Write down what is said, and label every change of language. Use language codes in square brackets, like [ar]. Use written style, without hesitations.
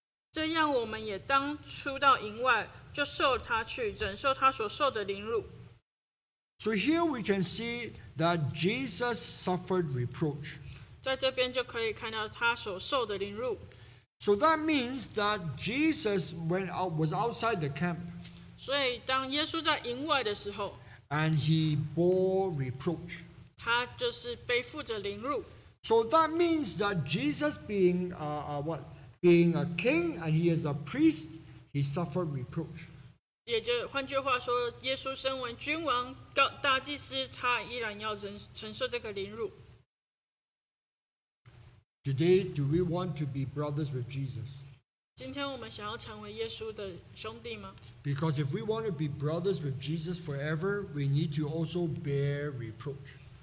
[zh] 这样我们也当出到营外，就受他去，忍受他所受的凌辱。 [en] So here we can see that Jesus suffered reproach. [zh] 在这边就可以看到他所受的凌辱。 [en] So that means that Jesus went out, was outside the camp. [zh] 所以当耶稣在营外的时候, [en] and he bore reproach. [zh] 他就是背负着凌辱。 [en] So that means that Jesus being being a king and he is a priest, he suffered reproach. [zh] 也就换句话说, 耶稣身为君王, 大祭司, 他依然要承受这个凌辱。 [en] Today, do we want to be brothers with Jesus? [zh] 今天我们想要成为耶稣的兄弟吗? [en] Because if we want to be brothers with Jesus forever, we need to also bear reproach.